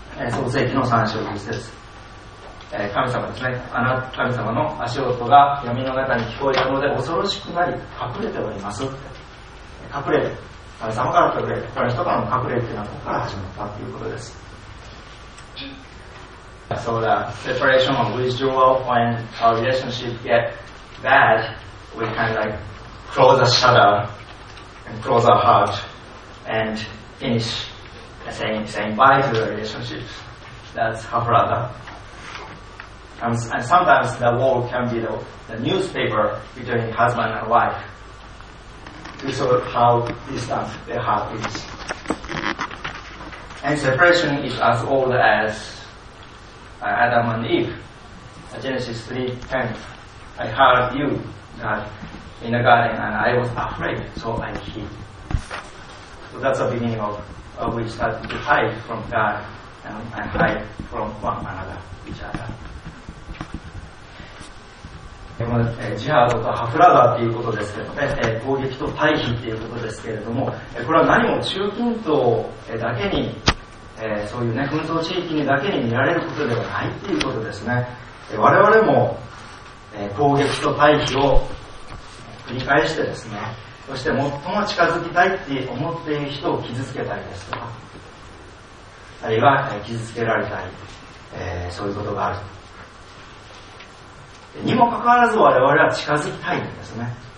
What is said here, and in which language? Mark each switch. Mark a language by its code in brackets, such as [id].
[ja] 創世記の三章一節です。神様ですね、神様の足音が闇の中に聞こえたので恐ろしくなり隠れております。隠れる、神様から隠れる、他の人からの隠れるというのはここから始まったということです。 [en] So the separation of withdrawal when our relationship get bad, we kind of like close a shutter and close our heart and finish saying bye to the relationship. That's Hafrada. And sometimes the wall can be the newspaper between husband and wife. We saw how distant their heart is. And separation is as old as Adam and Eve. Genesis 3:10. I heard you, God, in the garden, and I was afraid, so I hid. So that's the beginning of we started to hide from God and hide from one another, each other. [ja] ジハードとハフラダーということですけどね、攻撃と対比ということですけれども、これは何も中近東だけに、そういう、ね、紛争地域にだけに見られることではないということですね。我々も攻撃と対比を繰り返してですね、そして最も近づきたいって思っている人を傷つけたりですとか、あるいは傷つけられたり、そういうことがあるにもかかわらず我々は近づきたいんですね。